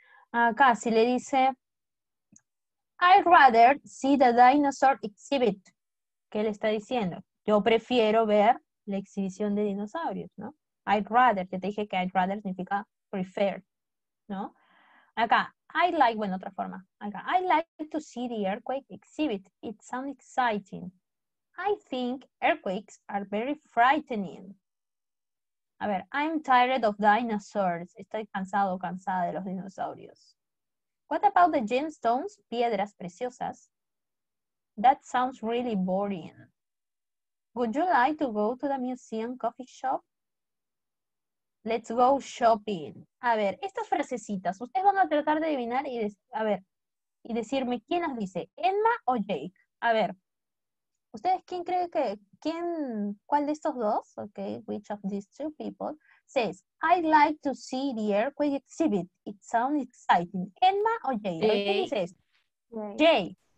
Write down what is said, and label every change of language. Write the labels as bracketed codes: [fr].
[es] Acá, si le dice, [en] I'd rather see the dinosaur exhibit. [es] ¿Qué le está diciendo? Yo prefiero ver la exhibición de dinosaurios, ¿no? [en] I'd rather, [es] que te dije que I'd rather significa prefer, ¿no? Acá, [en] I'd like, [es] bueno, otra forma. Acá, [en] I'd like to see the earthquake exhibit. It sounds exciting. I think earthquakes are very frightening. A ver, I'm tired of dinosaurs. [es] Estoy cansado o cansada de los dinosaurios. [en] What about the gemstones, [es] piedras preciosas? [en] That sounds really boring. Would you like to go to the museum coffee shop? Let's go shopping. [es] A ver, estas frasecitas, ustedes van a tratar de adivinar y, y decirme quién las dice, ¿Emma o Jake? A ver, ¿ustedes quién cree que, cuál de estos dos, [en] okay, which of these two people, says, I'd like to see the earthquake exhibit, it sounds exciting, [es] ¿Emma o Jake? ¿Quién dice esto? [en] Jake.